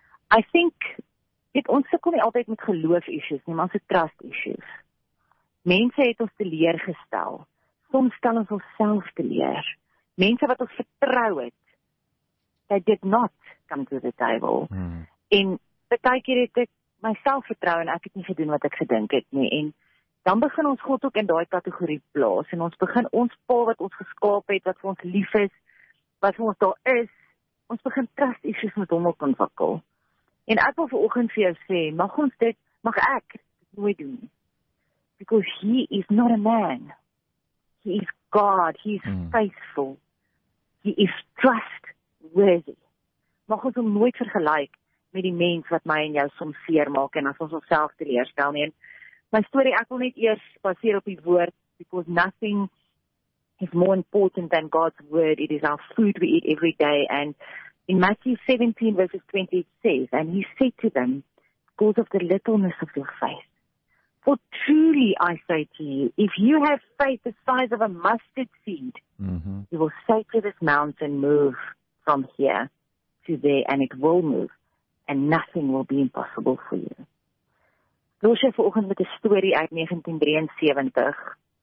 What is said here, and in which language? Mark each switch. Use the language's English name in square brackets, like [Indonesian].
[English] I think, [Afrikaans] dit ons sukkel nie altyd met geloof issues, nie, maar ons het trust issues. Mense het ons teleurgestel. Soms stel ons onsself teleur. Mense wat ons vertrou het, [English] they did not come to the table. [Afrikaans] En partykeer het ek myself vertrou en ek het nie gedoen wat ek gedink het nie. En dan begin ons God ook in daai kategorie plaas en ons begin ons pa wat ons geskaap het, wat vir ons lief is, wat vir ons daar is, ons begin trust issues met hom ook ontwikkel. En ek wil vanoggend vir jou sê, mag ek dit nooit doen. [English] Because he is not a man. He is God. He is faithful. He is trustworthy. [Afrikaans] Mag ons hom nooit vergelyk met die mens wat my en jou soms seer maak en as ons onsself teleurstel nie. [English] My story, [Afrikaans] ek wil net eers baseer op die woord, [English] because nothing is more important than God's word. It is our food we eat every day. And in Matthew 17 verses 20 it says, and he said to them, because of the littleness of your faith. For truly I say to you, if you have faith the size of a mustard seed, you will say to this mountain, move from here to there, and it will move, and nothing will be impossible for you. [Afrikaans] Los jy vanoggend met 'n story uit 1973.